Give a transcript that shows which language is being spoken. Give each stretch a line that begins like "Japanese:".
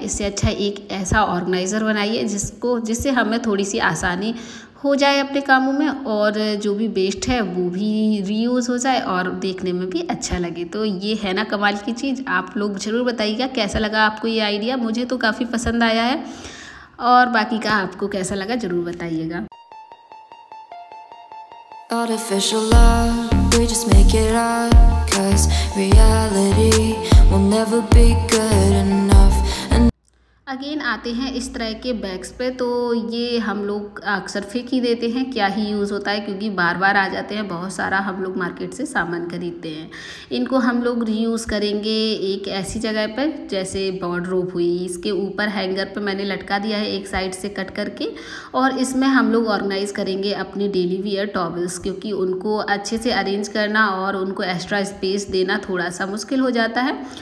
Hindi: इससे अच्छा एक ऐसा ऑर्गेनाइज़र बनाइए जिससे हमें थोड़ी सी आसानी हो जाए अपने कामों में, और जो भी वेस्ट है वो भी रीयूज़ हो जाए और देखने में भी अच्छा लगे। तो ये है ना कमाल की चीज़। आप लोग ज़रूर बताइएगा कैसा लगा आपको ये आइडिया, मुझे तो काफ़ी पसंद आया है। और बाकी का आपको कैसा लगा ज़रूर बताइएगा।
English: Artificial love, we just make it up, 'cause reality will never be good enough.
Hindi: Again आते हैं इस तरह के बैग्स पे, तो ये हम लोग अक्सर फेंक ही देते हैं, क्या ही यूज़ होता है, क्योंकि बार बार आ जाते हैं, बहुत सारा हम लोग मार्केट से सामान खरीदते हैं। इनको हम लोग रीयूज़ करेंगे एक ऐसी जगह पर जैसे वार्डरोब हुई, इसके ऊपर हैंगर पे मैंने लटका दिया है एक साइड से कट करके, और इसमें हम लोग ऑर्गेनाइज़ करेंगे अपनी डेली वियर टॉवल्स, क्योंकि उनको अच्छे से अरेंज करना और उनको एक्स्ट्रा स्पेस देना थोड़ा सा मुश्किल हो जाता है।